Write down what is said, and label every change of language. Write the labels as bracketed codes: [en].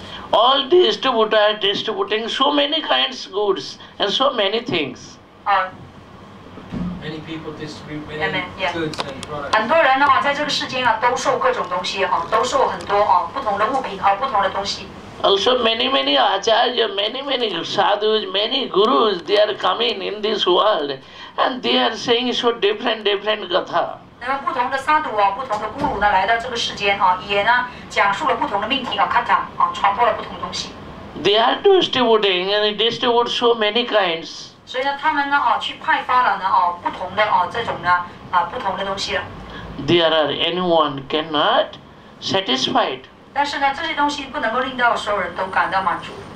[en] All distributor distributing so many kinds of goods and so many things. Many people distribute many goods and products. [zh] 很多人呢，在这个世间啊，都受各种东西啊，都受很多啊不同的物品啊，不同的东西。 [en] Also many acharya, many sadhus, many gurus, they are coming in this world, and they are saying so different katha. [zh] 那么不同的沙杜啊，不同的咕噜呢，来到这个世间啊，也呢讲述了不同的命题啊，看他啊，传播了不同东西。 [en] They are distributing and distribute so many kinds. [zh] 所以呢，他们呢啊，去派发了呢啊，不同的啊这种呢啊不同的东西了。 [en] There are anyone cannot satisfied. [zh] 但是呢，这些东西不能够令到所有人都感到满足。